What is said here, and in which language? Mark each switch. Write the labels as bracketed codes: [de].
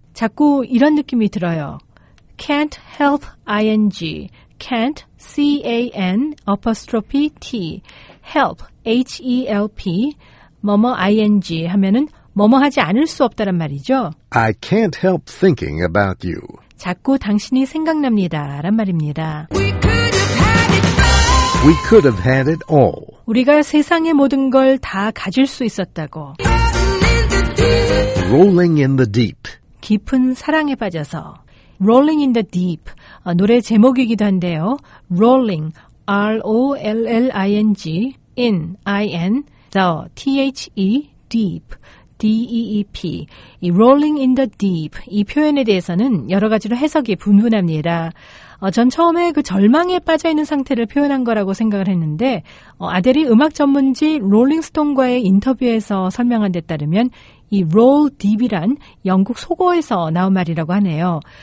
[ko] 자꾸 이런 느낌이 들어요. [en] Can't help ing. Can't, C-A-N, apostrophe T. Help, H-E-L-P. [ko] 뭐뭐 ing 하면은 뭐뭐 하지 않을 수 없다란 말이죠. [en] I can't help thinking about you. [ko] 자꾸 당신이 생각납니다. 란 말입니다. [en] We could have had it all. We could have had it all. [ko] 우리가 세상의 모든 걸 다 가질 수 있었다고. [en] Rolling in the deep. [ko] 깊은 사랑에 빠져서. Rolling in the deep. 노래 제목이기도 한데요. [en] Rolling, R-O-L-L-I-N-G, in, I-N, the, T-H-E, deep, D-E-E-P. [ko] 이 rolling in the deep, 이 표현에 대해서는 여러 가지로 해석이 분분합니다. 전 처음에 그 절망에 빠져있는 상태를 표현한 거라고 생각을 했는데 아델이 음악 전문지 롤링스톤과의 인터뷰에서 설명한 데 따르면 이 roll deep이란 영국 속어에서 나온 말이라고 하네요.